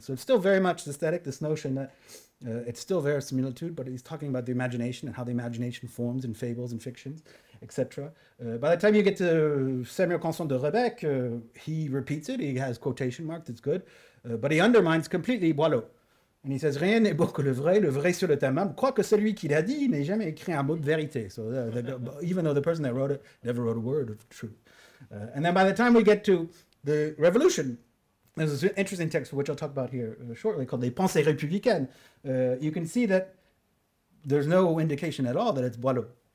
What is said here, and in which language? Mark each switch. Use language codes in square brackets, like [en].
[en] So it's still very much aesthetic, this notion that it's still verisimilitude, but he's talking about the imagination and how the imagination forms in fables and fictions, etc. By the time you get to Samuel Constant de Rebec, he repeats it, he has quotation marks, it's good. But he undermines completely Boileau. [fr] And he says, rien n'est beau que le vrai sur le tamam, quoi que celui qui l'a dit n'ait jamais écrit un mot de vérité. [en] So even though the person that wrote it never wrote a word of truth. And then by the time we get to the revolution, there's this interesting text, which I'll talk about here shortly, called Les Pensées Républicaines. You can see that there's no indication at all that it's Boileau.